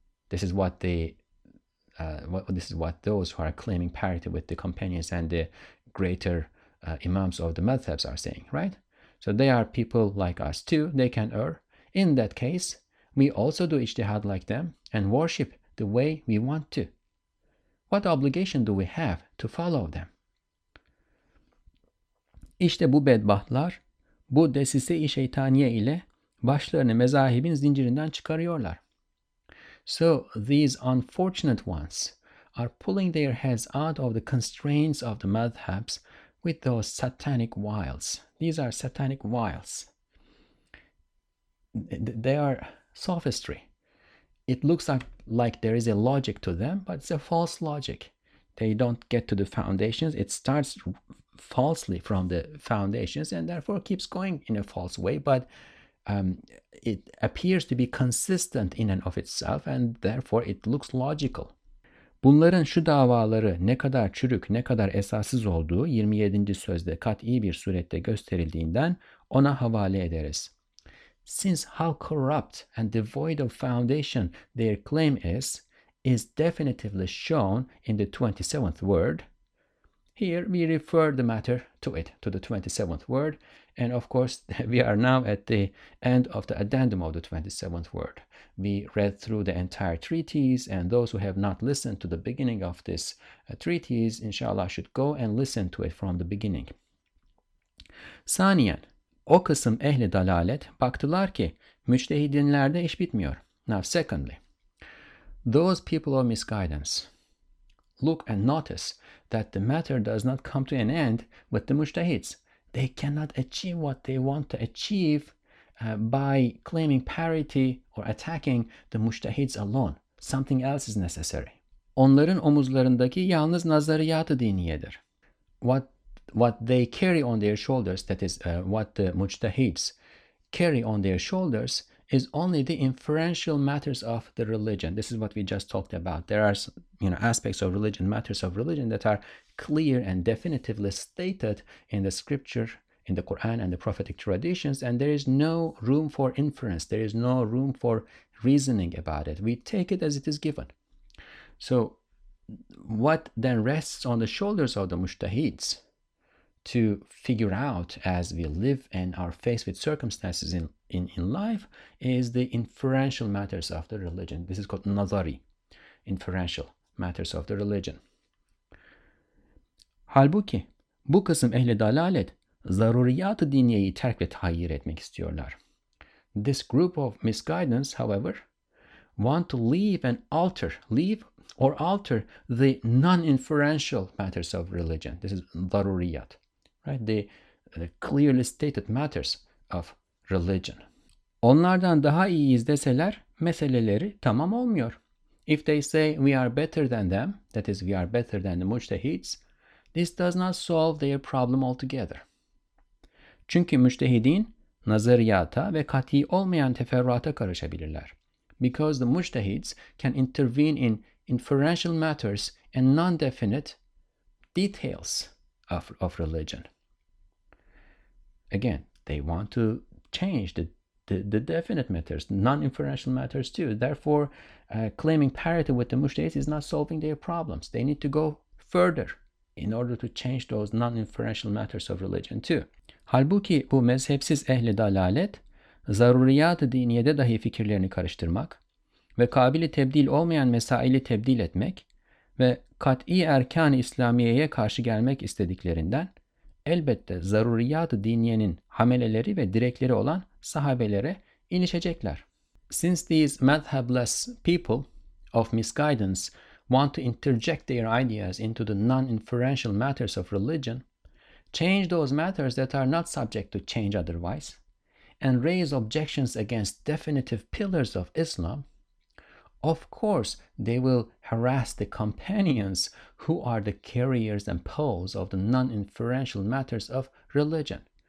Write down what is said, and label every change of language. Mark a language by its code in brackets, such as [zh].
[en] This is what those who are claiming parity with the companions and the greater imams of the madhabs are saying, right? So they are people like us too. They can err. In that case, we also do ijtihad like them and worship the way we want to. What obligation do we have to follow them? [tr] İşte bu bedbahtlar, bu desise-i şeytaniye ile başlarını mezahibin zincirinden çıkarıyorlar. [en] So these unfortunate ones are pulling their heads out of the constraints of the madhabs with those satanic wiles. These are satanic wiles. They are sophistry. It looks like there is a logic to them, but it's a false logic. They don't get to the foundations. It starts falsely from the foundations and therefore keeps going in a false way, but it appears to be consistent in and of itself, and therefore it looks logical. [tr] Bunların şu davaları ne kadar çürük, ne kadar esassız olduğu 27. sözde kat'i bir surette gösterildiğinden ona havale ederiz. [en] Since how corrupt and devoid of foundation their claim is definitively shown in the 27th word. Here we refer the matter to it, to the 27th word. And of course, we are now at the end of the addendum of the 27th word. We read through the entire treatise, and those who have not listened to the beginning of this treatise, inshallah, should go and listen to it from the beginning. [tr] Saniyen, o kısım ehli dalalet baktılar ki, müçtehidinlerde iş bitmiyor. [en] Now, secondly, those people of misguidance look and notice that the matter does not come to an end with the mujtahids. They cannot achieve what they want to achieve by claiming parity or attacking the mujtahids alone. Something else is necessary. [tr] Onların omuzlarındaki yalnız nazariyatı diniyedir. [en] What they carry on their shoulders, that is, what the mujtahids carry on their shoulders, is only the inferential matters of the religion. This is what we just talked about. There are, you know, aspects of religion, matters of religion that are clear and definitively stated in the scripture, in the Quran and the prophetic traditions, and there is no room for inference. There is no room for reasoning about it. We take it as it is given. So what then rests on the shoulders of the mujtahids to figure out as we live and are faced with circumstances in life is the inferential matters of the religion. This is called nazari, inferential matters of the religion. [tr] Halbuki bu kısım ehli dalalet zaruriyat-ı diniyeyi terk ve tahyir etmek istiyorlar. [en] This group of misguidance, however, want to leave or alter the non-inferential matters of religion. This is zaruriyat, right? The clearly stated matters of religion. [tr] Onlardan daha iyi izleseler meseleleri tamam olmuyor. [en] If they say we are better than them, that is, we are better than the mujtahids, this does not solve their problem altogether. [tr] Çünkü mujtahidin nazariyata ve kat'i olmayan teferruata karışabilirler. [en] Because the mujtahids can intervene in inferential matters and non-definite details of religion. Again, they want to change the definite matters, non-inferential matters too. Therefore, claiming parity with the mujtahids is not solving their problems. They need to go further in order to change those non-inferential matters of religion too. [tr] Halbuki bu mezhepsiz ehli dalalet, zaruriyat-ı diniyede dahi fikirlerini karıştırmak ve kabili tebdil olmayan mesaili tebdil etmek ve kat'i erkan-ı İslamiye'ye karşı gelmek istediklerinden elbette zaruriyat-ı diniyenin hameleleri ve direkleri olan sahabelere inişecekler. [en] Since these madhabless people of misguidance want to interject their ideas into the non-inferential matters of religion, change those matters that are not subject to change otherwise, and raise objections against definitive pillars of Islam, of course they will harass the companions who are the carriers and poles of the non-inferential matters of religion.